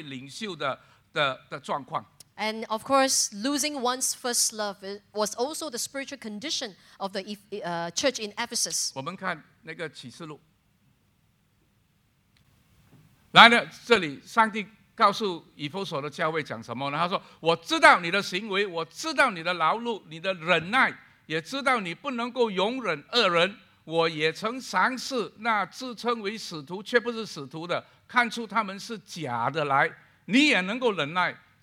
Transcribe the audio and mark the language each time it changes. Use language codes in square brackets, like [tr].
[zh] 失去起初的爱心也是初期以色列以弗所教会领袖的状况。 [en] And of course, losing one's first love was also the spiritual condition of the church in Ephesus. [zh] 我们看那个启示录。来了，这里上帝告诉以弗所的教会讲什么呢？他说：“我知道你的行为，我知道你的劳碌，你的忍耐，也知道你不能够容忍恶人。我也曾尝试那自称为使徒却不是使徒的，看出他们是假的来，你也能够忍耐。”